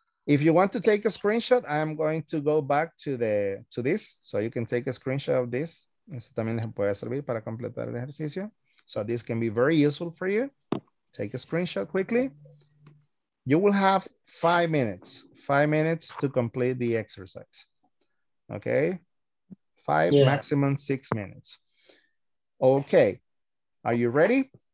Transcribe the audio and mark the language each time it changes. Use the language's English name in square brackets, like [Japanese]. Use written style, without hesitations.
[English] If you want to take a screenshot, I'm going to go back to this. So you can take a screenshot of this. [Spanish] Esto también les puede servir para completar el ejercicio. [English] So this can be very useful for you. Take a screenshot quickly. You will have 5 minutes. 5 minutes to complete the exercise. Okay? Maximum 6 minutes. Okay. Are you ready?